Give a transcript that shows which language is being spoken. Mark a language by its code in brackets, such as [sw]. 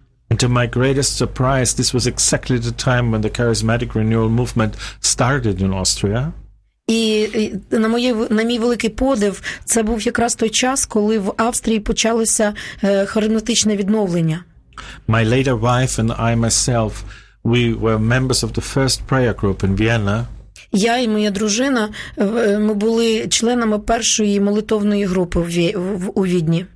[en] And to my greatest surprise, this was exactly the time when the charismatic renewal movement started in Austria. [uk] І на мій великий подив, це був якраз той час, коли в Австрії почалося харизматичне відновлення. [en] My later wife and I myself, we were members of the first prayer group in Vienna. [uk] Я і моя дружина, ми були членами першої молитовної групи у Відні.